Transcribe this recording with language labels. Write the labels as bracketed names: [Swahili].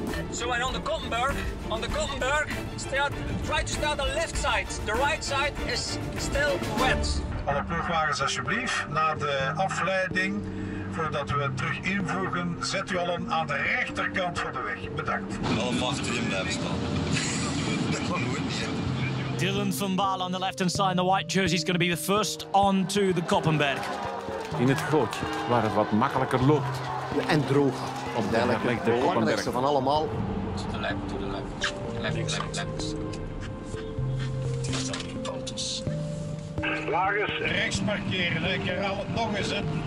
[English] So we're on the Koppenberg. On the Koppenberg, try to start the left side. The right side is still wet. [Dutch] Alle ploegwagens alsjeblieft, naar de afleiding. Voordat we terug invoegen, zet u allen aan de rechterkant van de weg. Bedankt. Wel machtig in blijven staan. Dat kan nooit niet. [English] Dylan van Baal on the left hand side, the white jersey is going to be the first on to the Koppenberg. [Dutch] In het gootje, waar het wat makkelijker loopt. En droog. Op de belangrijkste van allemaal. [English] To the left, to the left. Left, left, left. [Dutch] Het is Lagers, rechts parkeren. Ik herhaal het nog eens, hè.